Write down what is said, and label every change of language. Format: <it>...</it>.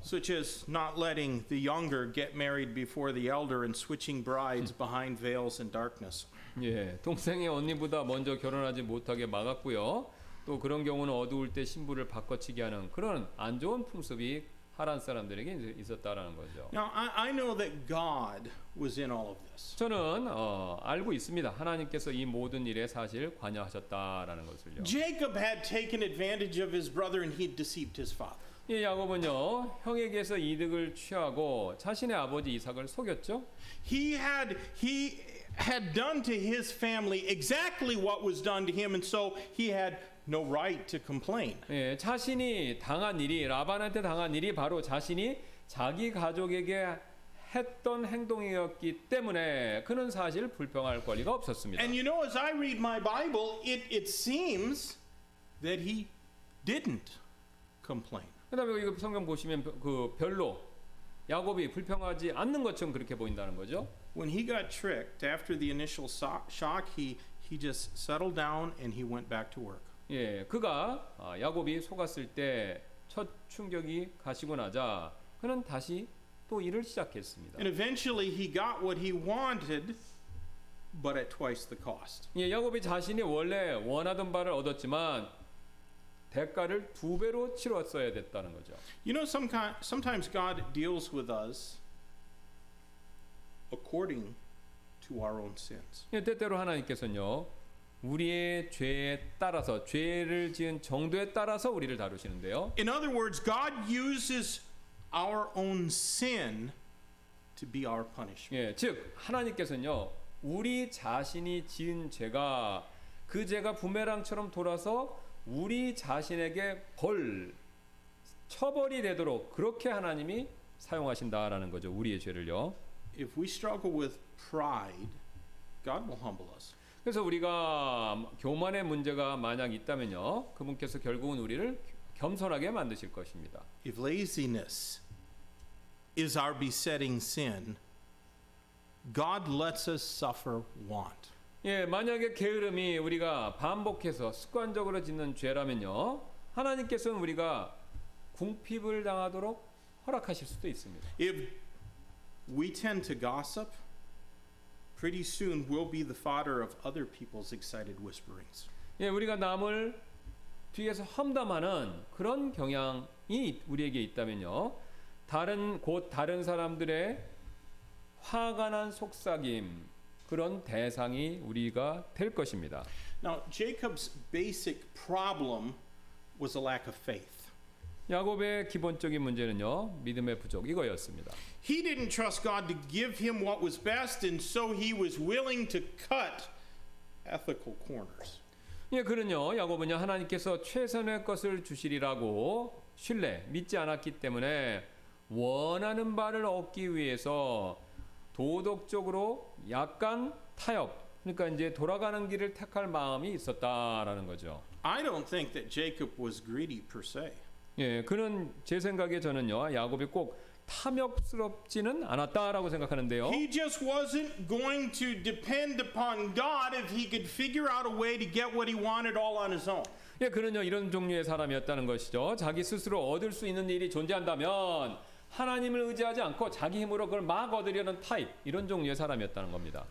<en>Such as not letting the younger get married before the elder and switching brides behind veils and darkness.</en> <ko>예, 동생의 언니보다 먼저 결혼하지 못하게 막았고요. 또 그런 경우는 어두울 때 신부를 바꿔치기 하는 그런 안 좋은 풍습이 하란 사람들에게 있었다라는 거죠.</ko> <en>Now I know that God was in all of this.</en> <ko>저는 알고 있습니다. 하나님께서 이 모든 일에 사실 관여하셨다라는 것을요.</ko> <en>Jacob had taken advantage of his brother and he deceived his father.</en> <ko>예, 야곱은요. 형에게서 이득을 취하고 자신의 아버지 이삭을 속였죠.</ko> <en>He had done to his family exactly what was done to him and so he had no right to complain.</en> <ko>예, 자신이 당한 일이 라반한테 당한 일이 바로 자신이 자기 가족에게 했던 행동이었기 때문에 그는 사실 불평할 권리가 없었습니다.</ko> <en>And you know as I read my Bible it seems that he didn't complain.</en> <ko>그다음에 이거 성경 보시면 그 별로 야곱이 불평하지 않는 것처럼 그렇게 보인다는 거죠.</ko> <en>When he got tricked after the initial shock he just settled down and he went back to work.</en> <ko>예, 그가 야곱이 속았을 때 첫 충격이 가시고 나자 그는 다시 또 일을 시작했습니다.</ko> <en>And eventually he got what he wanted, but at twice the cost.</en> <ko>예, 야곱이 자신이 원래 원하던 바를 얻었지만 대가를 두 배로 치렀어야 됐다는 거죠.</ko> <en>You know, sometimes God deals with us according to our own sins.</en> <ko>예, 때때로 하나님께서는요. 우리의 죄에 따라서 죄를 지은 정도에 따라서 우리를 다루시는데요.</ko> <en>In other words, God uses our own sin to be our punishment.</en> <ko>예, 즉 하나님께서는요, 우리 자신이 지은 죄가 그 죄가 부메랑처럼 돌아서 우리 자신에게 벌 처벌이 되도록 그렇게 하나님이 사용하신다라는 거죠, 우리의 죄를요.</ko> <en>If we struggle with pride, God will humble us.</en> <ko>그래서 우리가 교만의 문제가 만약 있다면요, 그분께서 결국은 우리를 겸손하게 만드실 것입니다.</ko> <en>If laziness is our besetting sin, God lets us suffer want.</en> <ko>예, 만약에 게으름이 우리가 반복해서 습관적으로 짓는 죄라면요, 하나님께서는 우리가 궁핍을 당하도록 허락하실 수도 있습니다.</ko> <en>If we tend to gossip, pretty soon we'll be the fodder of other people's excited whisperings.</en> <ko>예, 우리가 남을 뒤에서 험담하는 그런 경향이 우리에게 있다면요. 곧 다른 사람들의 화가 난 속삭임 그런 대상이 우리가 될 것입니다.</ko> <en>Now, Jacob's basic problem was a lack of faith.</en> <ko>야곱의 기본적인 문제는요. 믿음의 부족 이거였습니다.</ko> <en>He didn't trust God to give him what was best, and so he was willing to cut ethical corners.</en> <ko>예, 그는요, 야곱은요, 하나님께서 최선의 것을 주시리라고 신뢰, 믿지 않았기 때문에 원하는 바를 얻기 위해서 도덕적으로 약간 타협, 그러니까 이제 돌아가는 길을 택할 마음이 있었다라는 거죠.</ko> <en>I don't think that Jacob was greedy per se.</en> <ko>예, 그는 제 생각에 저는요, 야곱이 꼭 탐욕스럽지는 않았다라고 생각하는데요.</ko> <en>He just wasn't going to depend upon God if he could figure out a way to get what he wanted all on his own.</en> <ko>예, 그는요 이런 종류의 사람이었다는 것이죠. 자기 스스로 얻을 수 있는 일이 존재한다면 하나님을 의지하지 않고 자기 힘으로 그걸 막 얻으려는 타입 이런 종류의 사람이었다는 겁니다.</ko>